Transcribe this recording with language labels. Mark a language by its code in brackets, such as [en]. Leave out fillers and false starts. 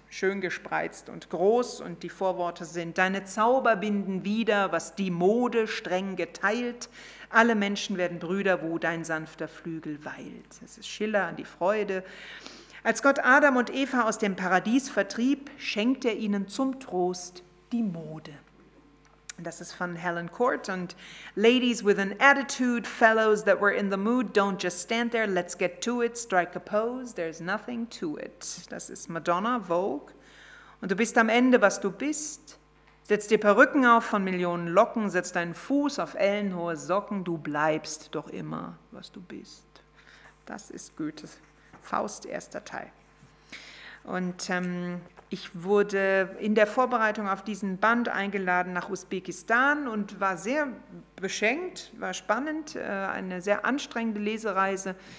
[de] Schön gespreizt und groß, und die Vorworte sind: Deine Zauber binden wieder, was die Mode streng geteilt. Alle Menschen werden Brüder, wo dein sanfter Flügel weilt. Das ist Schiller an die Freude. Als Gott Adam und Eva aus dem Paradies vertrieb, schenkt er ihnen zum Trost die Mode. Das ist von Helen Court. Und [en] Ladies with an attitude, fellows that were in the mood, don't just stand there, let's get to it, strike a pose, there's nothing to it. [de] Das ist Madonna, Vogue. Und du bist am Ende, was du bist. Setz dir Perücken auf von Millionen Locken, setz deinen Fuß auf ellenhohe Socken, du bleibst doch immer, was du bist. Das ist Goethes Faust, erster Teil. Und ich wurde in der Vorbereitung auf diesen Band eingeladen nach Usbekistan und war sehr beschenkt, war spannend, eine sehr anstrengende Lesereise.